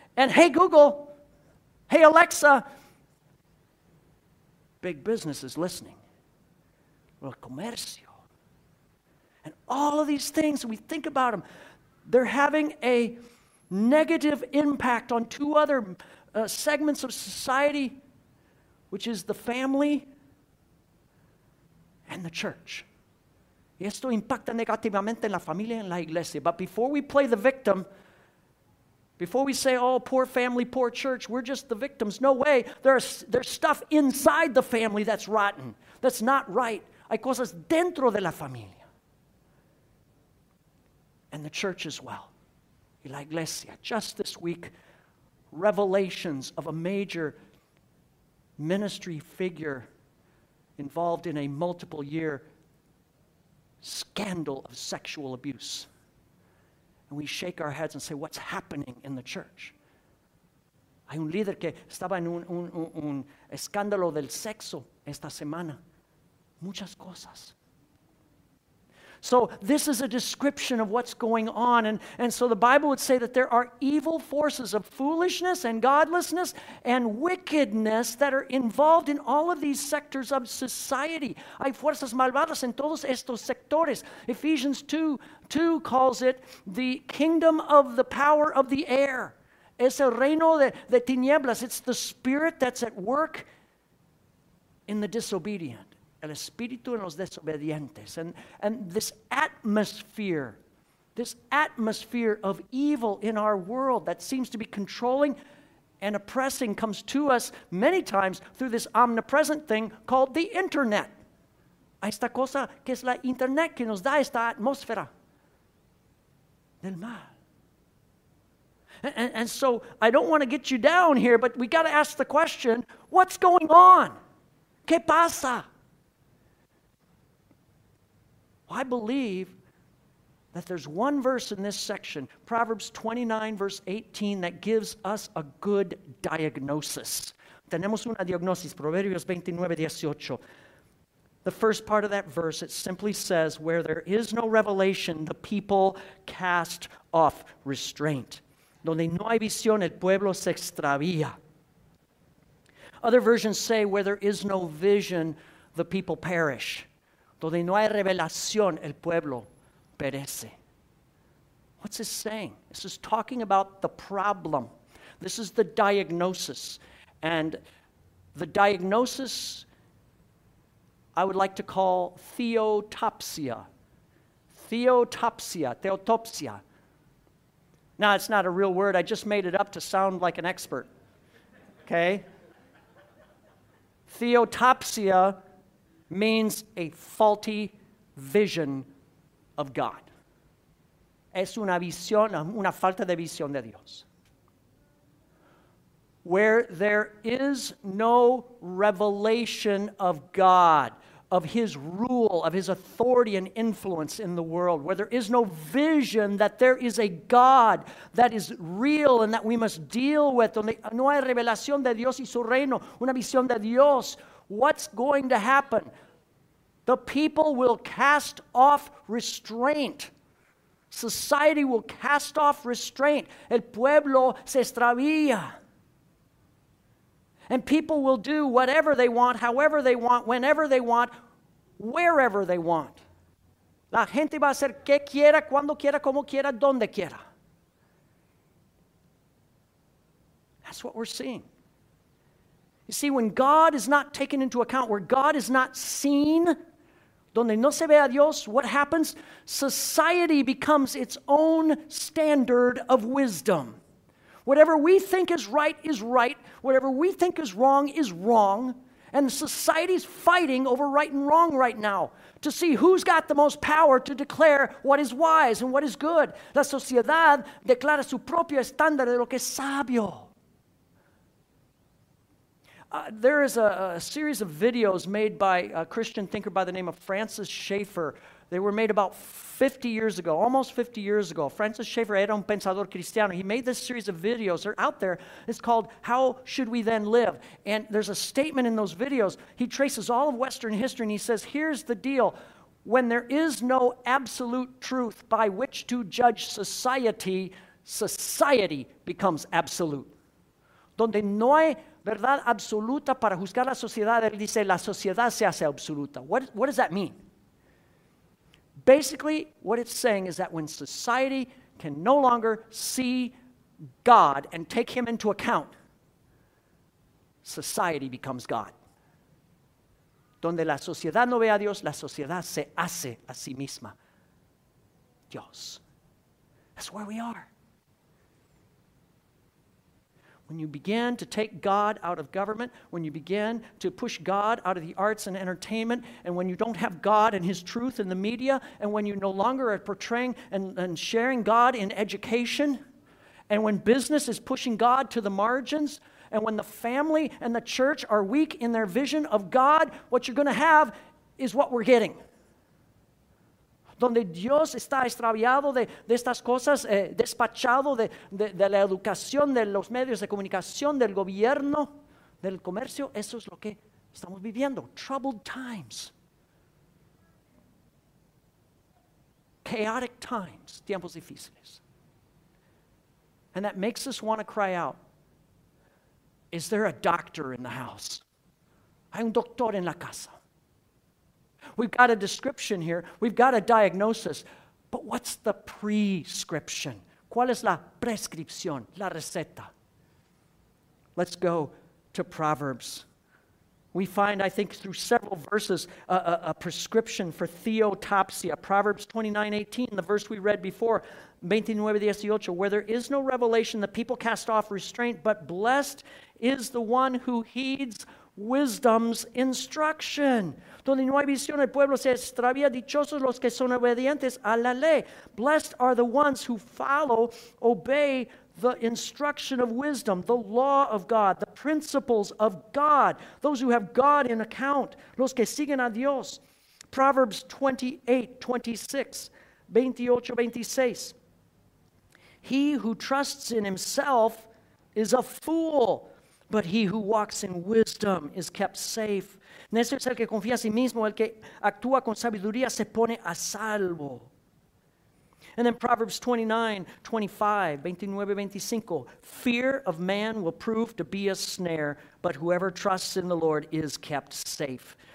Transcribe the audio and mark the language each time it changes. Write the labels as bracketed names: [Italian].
[English] And hey, Google, hey, Alexa, big business is listening. [Spanish] El comercio. [English] And all of these things, we think about them. They're having a negative impact on two other segments of society, which is the family and the church. [Spanish] Y esto impacta negativamente en la familia y en la iglesia. [English] But before we play the victim, before we say, oh, poor family, poor church, we're just the victims. No way. There's stuff inside the family that's rotten, that's not right. [Spanish] Hay cosas dentro de la familia. [English] And the church as well. [Spanish] Y la iglesia. [English] Just this week, revelations of a major ministry figure involved in a multiple-year scandal of sexual abuse. And we shake our heads and say, what's happening in the church? [Spanish] Hay un líder que estaba en un escándalo del sexo esta semana. Muchas cosas. [English] So this is a description of what's going on. And so the Bible would say that there are evil forces of foolishness and godlessness and wickedness that are involved in all of these sectors of society. [Spanish] Hay fuerzas malvadas en todos estos sectores. [English] Ephesians 2:2 calls it the kingdom of the power of the air. [Spanish] Es el reino de tinieblas. [English] It's the spirit that's at work in the disobedient. [Spanish] El espíritu en los desobedientes. [English] And this atmosphere of evil in our world that seems to be controlling and oppressing comes to us many times through this omnipresent thing called the internet. [Spanish] Esta cosa que es la internet que nos da esta atmósfera del mal. [English] And so I don't want to get you down here, but we got to ask the question, what's going on? [Spanish] ¿Qué pasa? [English] I believe that there's one verse in this section, Proverbs 29, verse 18, that gives us a good diagnosis. [Spanish] Tenemos una diagnosis, Proverbios 29, 18. [English] The first part of that verse, it simply says, where there is no revelation, the people cast off restraint. [Spanish] Donde no hay visión, el pueblo se extravía. [English] Other versions say, where there is no vision, the people perish. [Spanish] Donde no hay revelación, el pueblo perece. [English] What's this saying? This is talking about the problem. This is the diagnosis. And the diagnosis, I would like to call theotopsia. Theotopsia, theotopsia. Now, it's not a real word. I just made it up to sound like an expert. Okay? Theotopsia means a faulty vision of God. [Spanish] Es una visión, una falta de visión de Dios. [English] Where there is no revelation of God, of His rule, of His authority and influence in the world, where there is no vision that there is a God that is real and that we must deal with. [Spanish] Donde no hay revelación de Dios y su reino, una visión de Dios. [English] What's going to happen? The people will cast off restraint. Society will cast off restraint. [Spanish] El pueblo se extravía. [English] And people will do whatever they want, however they want, whenever they want, wherever they want. [Spanish] La gente va a hacer que quiera, cuando quiera, como quiera, donde quiera. [English] That's what we're seeing. You see, when God is not taken into account, where God is not seen, [Spanish] donde no se ve a Dios, [English] what happens? Society becomes its own standard of wisdom. Whatever we think is right is right. Whatever we think is wrong is wrong. And society's fighting over right and wrong right now to see who's got the most power to declare what is wise and what is good. [Spanish] La sociedad declara su propio estándar de lo que es sabio. [English] There is a series of videos made by a Christian thinker by the name of Francis Schaeffer. They were made about 50 years ago, almost 50 years ago. [Spanish] Francis Schaeffer era un pensador cristiano. [English] He made this series of videos. They're out there. It's called How Should We Then Live? And there's a statement in those videos. He traces all of Western history and he says, here's the deal. When there is no absolute truth by which to judge society, society becomes absolute. [Spanish] Donde no hay verdad absoluta para juzgar la sociedad, él dice, la sociedad se hace absoluta. [English] What does that mean? Basically, what it's saying is that when society can no longer see God and take him into account, society becomes God. [Spanish] Donde la sociedad no ve a Dios, la sociedad se hace a sí misma. [English] Dios. That's where we are. When you begin to take God out of government, when you begin to push God out of the arts and entertainment, and when you don't have God and his truth in the media, and when you no longer are portraying and sharing God in education, and when business is pushing God to the margins, and when the family and the church are weak in their vision of God, what you're going to have is what we're getting. [Spanish] Donde Dios está extraviado de estas cosas, despachado de la educación, de los medios de comunicación, del gobierno, del comercio. Eso es lo que estamos viviendo. [English] Troubled times. Chaotic times. [Spanish] Tiempos difíciles. [English] And that makes us want to cry out, is there a doctor in the house? [Spanish] Hay un doctor en la casa. [English] We've got a description here. We've got a diagnosis. But what's the prescription? [Spanish] ¿Cuál es la prescripción? La receta. [English] Let's go to Proverbs. We find, I think, through several verses, a prescription for theotopsia. Proverbs 29:18, the verse we read before, 29:18, where there is no revelation, the people cast off restraint, but blessed is the one who heeds wisdom's instruction. [Spanish] Donde no hay visión, el pueblo se extravía. Dichosos los que son obedientes a la ley. [English] Blessed are the ones who follow, obey the instruction of wisdom, the law of God, the principles of God, those who have God in account, [Spanish] los que siguen a Dios. [English] Proverbs 28:26. He who trusts in himself is a fool, but he who walks in wisdom is kept safe. [Spanish] Necio es el que confía en sí mismo, el que actúa con sabiduría se pone a salvo. [English] And then Proverbs 29:25, fear of man will prove to be a snare, but whoever trusts in the Lord is kept safe.